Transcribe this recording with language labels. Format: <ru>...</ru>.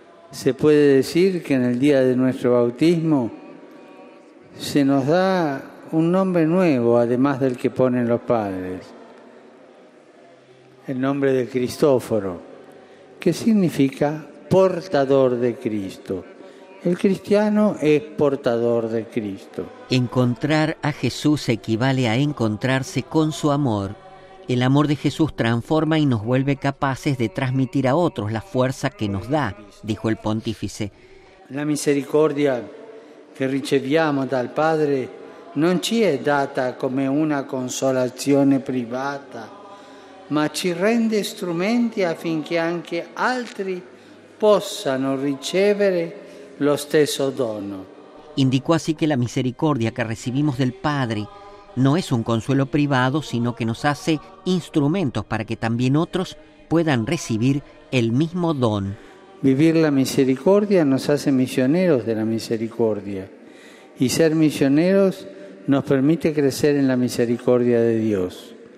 <es>Se puede decir que en el día de nuestro bautismo se nos da un nombre nuevo, además del que ponen los padres, el nombre de Cristóforo, que significa portador de Cristo. El cristiano es portador de Cristo. Encontrar a Jesús equivale a encontrarse con su amor. El amor de Jesús transforma y nos vuelve capaces de transmitir a otros la fuerza que nos da, dijo el pontífice.</es> <it>La misericordia que riceviamo dal Padre non ci è data come una consolazione privata, ma ci rende strumenti affinché anche altri possano ricevere lo stesso dono.</it> <es>Indicó así que la misericordia que recibimos del Padre no es un consuelo privado, sino que nos hace instrumentos para que también otros puedan recibir el mismo don. Vivir la misericordia nos hace misioneros de la misericordia, y ser misioneros nos permite crecer en la misericordia de Dios.</es>